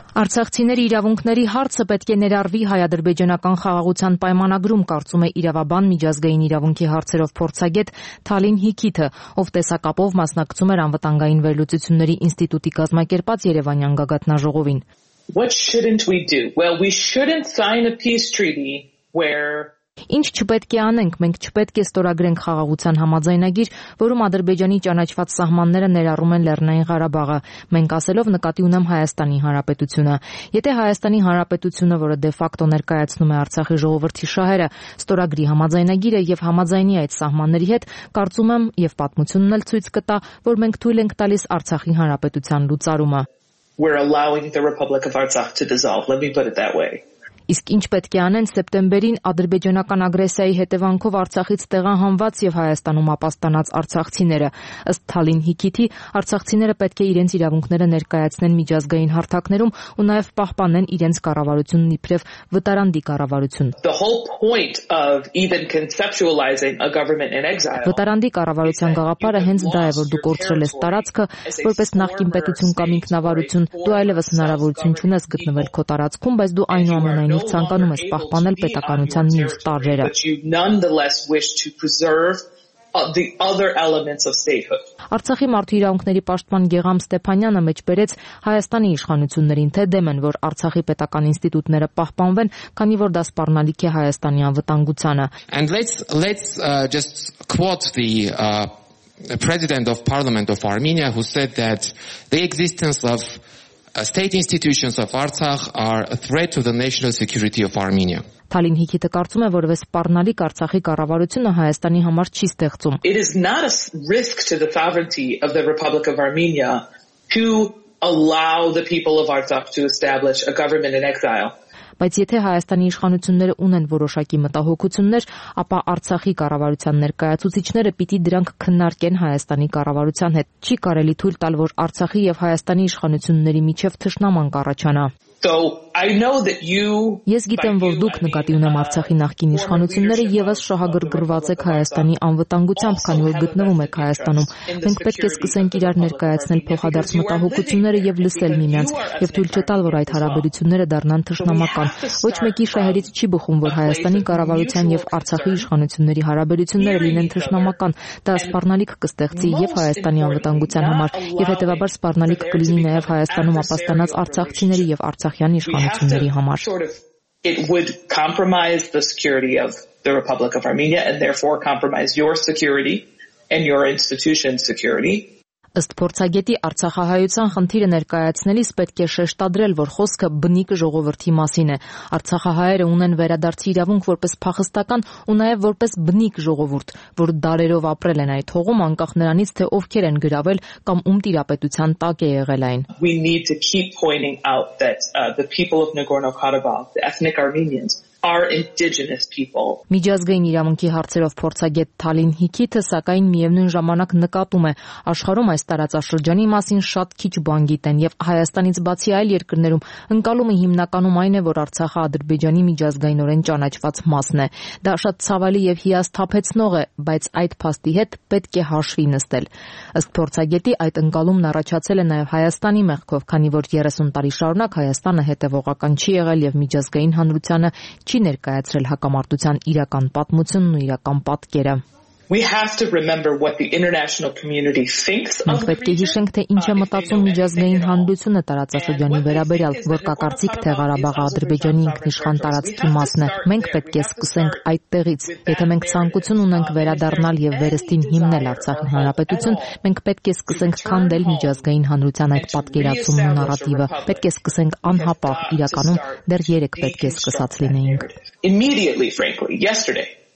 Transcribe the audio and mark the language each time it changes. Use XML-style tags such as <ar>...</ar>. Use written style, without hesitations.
<hy>Արցախցիների իրավունքների հարցը պետք է ներառվի հայ-ադրբեջանական խաղաղության պայմանագրում, կարծում է իրավաբան միջազգային իրավունքի հարցերով փորձագետ Թալին Հիքիթը, ով տեսակապով մասնակցում էր անվտանգային վերլուծությունների ինստիտուտի կազմակերպած Երևանյան գագաթնաժողովին։</hy> <en>What shouldn't we do? Well, we shouldn't sign a peace treaty where</en> <hy>Ինչ չպետք է անենք, մենք չպետք է ստորագրենք խաղաղության համաձայնագիր, որում Ադրբեջանի ճանաչված սահմանները ներառում են Լեռնային Ղարաբաղը, մենք ասելով նկատի ունեմ Հայաստանի Հանրապետությունը։ Եթե Հայաստանի Հանրապետությունը, որը դեֆակտո ներկայացնում է Արցախի ժողովրդի շահերը, ստորագրի համաձայնագիրը եւ համաձայնի այդ սահմանների հետ, կարծում եմ եւ պատմությունն էլ ցույց կտա, որ մենք թույլ ենք տալիս Արցախի Հանրապետության լուծարումը։</hy> <en>We're allowing the Republic of Artsakh to dissolve, let me put it that way.</en> <hy>Իսկ ինչ պետք է անեն սեպտեմբերին ադրբեջանական ագրեսիայի հետևանքով Արցախից տեղահանված եւ Հայաստանում ապաստանած արցախցիները։ Ըստ Թալին Հիքիթի, արցախցիները պետք է իրենց իրավունքները ներկայացնեն միջազգային հարթակներում ու նաեւ պահպանեն իրենց կառավարությունն իբրև վտարանդի կառավարություն։</hy> <en>The whole point of even conceptualizing a government in exile.</en> <hy>Վտարանդի կառավարության գաղափարը հենց դա է, որ դու կորցրել ես տարածքը որպես նախկին պետություն կամ ինքնավարություն, դու այլևս հնարավորություն չունես գտնվել քո տարածքում, բայց դու այնուամենայնիվ նաև ցանկանում ես պահպանել պետականության մյուս տարրերը։ Արցախի մարդու իրավունքների պաշտպան Գեգամ Ստեփանյանը մեջբերեց Հայաստանի իշխանություններին, թե դեմ են, որ Արցախի պետական ինստիտուտները պահպանվեն, քանի որ դա սպառնալիք է Հայաստանի անվտանգությանը։</hy> <en>And let's just quote the president of parliament of Armenia who said that the existence of state institutions of Artsakh are a threat to the national security of Armenia.</en> <hy>Թալին Հիքիթը կարծում է, որ վես սպառնալիք Արցախի կառավարությունը Հայաստանի համար չի ստեղծում.</hy> <en>It is not a risk to the sovereignty of the Republic of Armenia to allow the people of Artsakh to establish a government in exile.</en> <hy>Բայց եթե Հայաստանի իշխանությունները ունեն որոշակի մտահոգություններ, ապա Արցախի կառավարության ներկայացուցիչները պիտի դրանք քննարկեն Հայաստանի կառավարության հետ։ Չի կարելի թույլ տալ, որ Արցախի եւ Հայաստանի իշխանությունների միջև թշնաման կառաջանա։ Ես գիտեմ, որ դուք նկատի ունեմ Արցախի նախկին իշխանությունները եւս շահագրգռված եք Հայաստանի անվտանգությամբ, քանի որ գտնվում եք Հայաստանում։ Մենք պետք է սկսենք իրար ներկայացնել փոխադարձ մտահոգությունները եւ լսել միմյանց եւ թույլ չտալ, որ այդ հարաբերությունները դառնան թշնամական։ Ոչ մեկի շահերից չի բխում, որ Հայաստանի կառավարության եւ Արցախի իշխանությունների հարաբերությունները լինեն թշնամական։ Դա սպառնալիք կստեղծի եւ Հայաստանի անվտանգության համար, եւ հետեւաբար սպառնալիք կլինի նաեւ Հայաստանում ապաստանած արցախցիների եւ Արցախյան իշխանությունների համար։</hy> <en>It would compromise the security of the Republic of Armenia and therefore compromise your security and your institution's security.</en> <hy>Ըստ փորձագետի Արցախահայության խնդիրը ներկայացնելիս պետք է շեշտադրել, որ խոսքը բնիկ ժողովրդի մասին է։ Արցախահայերը ունեն վերադարձի իրավունք որպես փախստական ու նաև որպես բնիկ ժողովուրդ, որ դարերով ապրել են այդ հողում անկախ նրանից, թե ովքեր են գրավել կամ ում տիրապետության տակ է եղել այն։</hy> <en>We need to keep pointing out that the people of Nagorno-Karabakh, the ethnic Armenians, are indigenous people.</en> <hy>Միջազգային իրավունքի հարցերով փորձագետ Թալին Հիքիթը սակայն միևնույն ժամանակ նկատում է, աշխարհում այս տարածաշրջանի մասին շատ քիչ բան գիտեն եւ Հայաստանից բացի այլ երկրներում ընկալումը հիմնականում այն է, որ Արցախը Ադրբեջանի միջազգայինորեն ճանաչված մասն է։ Դա շատ ցավալի եւ հիասթափեցնող է, բայց այդ փաստի հետ պետք է հաշվի նստել։ Ըստ փորձագետի այդ ընկալումն առաջացել է նաեւ Հայաստանի մեղքով, քանի որ 30 տարի շարունակ Հայաստանը հետևողական չի եղել եւ միջազգային հանրությանը չի ներկայացրել հակամարտության իրական պատմությունն ու իրական պատկերը։</hy> <en>We have to remember what the international community thinks of the region.</en> <hy>Պետք է հիշենք, թե ինչ է մտածում միջազգային հանրությունը տարածաշրջանի վերաբերյալ, որ կա կարծիք, թե Ղարաբաղը Ադրբեջանի ինքնիշխան տարածքի մասն է։ Մենք պետք է սկսենք այդտեղից։ Եթե մենք ցանկություն ունենք վերադառնալ եւ վերստին հիմնել Արցախի հանրապետություն, մենք պետք է սկսենք քանդել միջազգային հանրության այդ պատկերացումն ու նարատիվը։ Պետք է սկսենք անհապաղ, իրականում դեռ երեք պետք է սկսած լինեինք։</hy> <en>Immediately, frankly, yesterday.</en>